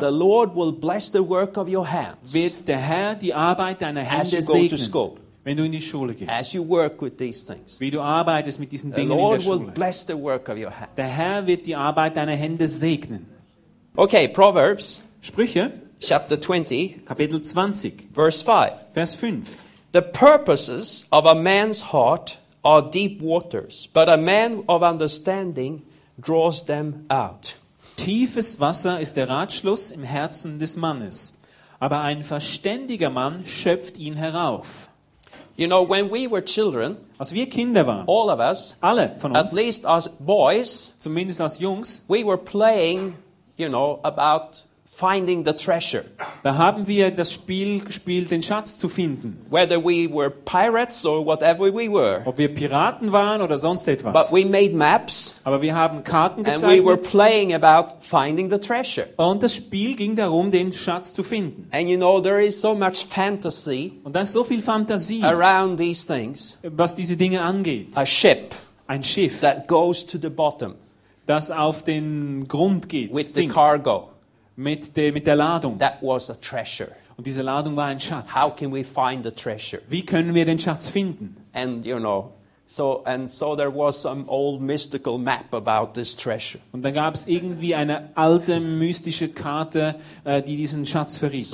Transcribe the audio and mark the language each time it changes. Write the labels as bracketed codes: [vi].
[en] the Lord will bless the work of your hands, [de] wird der Herr die Arbeit deiner Hände segnen, wenn du in die Schule gehst, [en] as you work with these things, [de] wie du arbeitest mit diesen Dingen [en] Lord [de] in der Schule. [en] Will bless the work of your hands. [de] Der Herr wird die Arbeit deiner Hände segnen. [en] Okay, Proverbs, [de] Sprüche, [en] chapter 20, [de] Kapitel 20, [en] verse 5. [de] Vers 5. [en] The purposes of a man's heart are deep waters, but a man of understanding draws them out. [de] Tiefes Wasser ist der Ratschluss im Herzen des Mannes, aber ein verständiger Mann schöpft ihn herauf. [en] You know, when we were children, [de] als wir Kinder waren, [en] all of us, [de] alle von uns, [en] at least as boys, [de] zumindest als Jungs, [en] we were playing, you know, about finding the treasure. [de] Da haben wir das Spiel gespielt, den Schatz zu finden. [en] Whether we were pirates or whatever we were. [de] Ob wir Piraten waren oder sonst etwas. [en] But we made maps. [de] Aber wir haben Karten gezeichnet. [en] And we were playing about finding the treasure. [de] Und das Spiel ging darum, den Schatz zu finden. [en] And you know, there is so much fantasy. [de] Und da ist so viel Fantasie. [en] Around these things. [de] Was diese Dinge angeht. [en] A ship. [de] Ein Schiff. [en] That goes to the bottom. [de] Das auf den Grund geht. [en] With [de] sinkt. [en] The cargo. [de] Mit der Ladung. [en] That was a treasure. [de] Und diese Ladung war ein Schatz. [en] How can we find the treasure? [de] Wie können wir den Schatz finden? [en] And you know, so there was some old mystical map about this treasure. [de] Und dann gab es irgendwie eine alte mystische Karte, die diesen Schatz verriet.